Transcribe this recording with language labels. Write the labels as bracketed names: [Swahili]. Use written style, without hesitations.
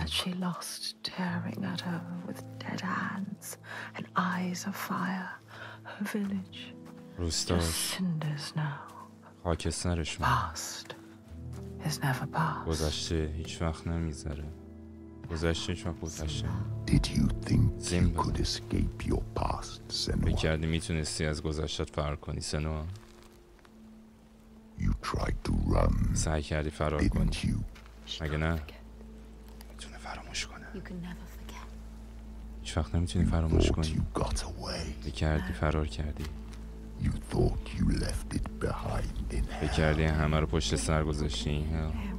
[English] All that she lost tearing at her with dead hands and eyes of fire. Her village. [Persian] روستاش. [English] Cinders now. [Persian] خاکسترش مونده. [English] Past is never past. [Persian] گذشته هیچ وقت نمیذاره. گذشته هیچ وقت گذشته. [English] Did you think you could escape your past, Senua? [Persian] فکر کردی میتونستی از گذشتت فرار کنی, Senua? [English] You tried to run. [Persian] سعی کردی فرار کنی. [English] Didn't you? [Persian] مگه نه؟ میتونه فراموش کنه. [English] You can never forget. [Persian] هیچ وقت نمیتونی فراموش کنی. [English] You got away. [Persian] فکر کردی فرار کردی. [English] You thought you left it behind in hell. [Persian] فکر کردی همه رو پشت سر گذاشتی این هل.